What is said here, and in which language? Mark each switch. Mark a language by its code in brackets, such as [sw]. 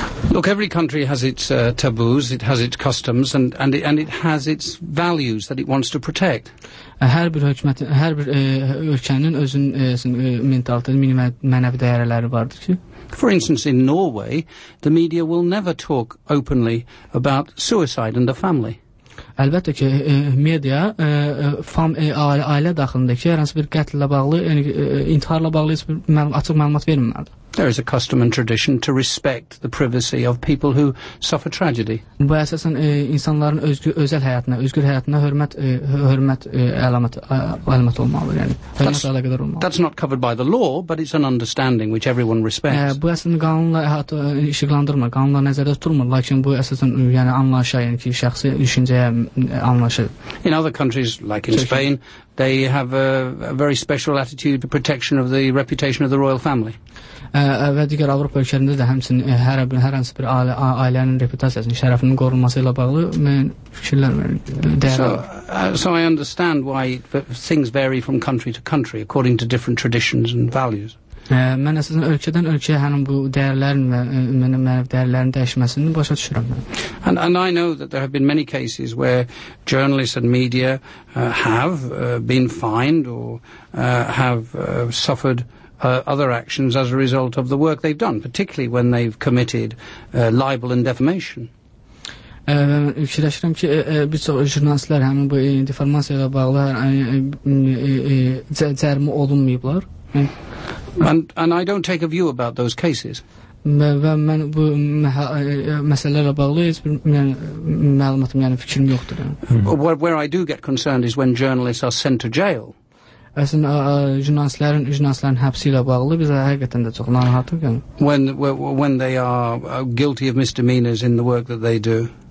[en] Look, every country has its taboos, it has its customs and it has its values that it wants to protect. [az] Hər bir hökumətin, hər bir ölkənin özün mentaliteti, mənəvi dəyərləri vardır ki. [en] For instance, in Norway, the media will never talk openly about suicide and the family. [az] Əlbəttə ki, media ailə daxilindəki hər hansı bir qətlə bağlı, yəni intiharla bağlı heç bir açıq məlumat verməlidir. [en] There is a custom and tradition to respect the privacy of people who suffer tragedy. [az] Bu əsasən insanların özəl həyatına, özgür həyatına hörmət əlaməti olmalıdır, yəni hörmətlə əlaqədar olmalıdır. [en] That's not covered by the law, but it's an understanding which everyone respects. [az] Bu əsasən qanunla hətta işıqlandırmır, qanunla nəzərdə tutmur, lakin bu əsasən yəni anlayışa, yəni ki şəxsi düşüncəyə anlayışa. [en] In other countries like in Spain, they have a very special attitude to protection of the reputation of the royal family. [az] Və digər Avropa ölkələrində də həmçinin hər hansı bir ailənin reputasiyasının, şərəfinin qorunması ilə bağlı mən fikirlər [en] So I understand why things vary from country to country according to different traditions and values. [az] Mən əsasən ölkədən ölkəyə həmin bu dəyərlərin və mənim dəyərlərin dəyişməsini başa düşürəm. [en] And I know that there have been many cases where journalists and media have been fined or have suffered other actions as a result of the work they've done, particularly when they've committed libel and defamation. [az] Fikirləşirəm ki, bir çox jurnalistlər həmin bu informasiya ilə bağlı cərimə olunmayıblar. [en] And I don't take a view about those cases. [az] Və mən bu məsələlərlə bağlı heç bir məlumatım, yəni fikrim yoxdur. [en] Where I do get concerned is when journalists are sent to jail. [az] Əslində, jurnalistlərin həbsi ilə bağlı bizə həqiqətən də çox narahatıq. [en] When they are guilty of misdemeanors in the work that they do.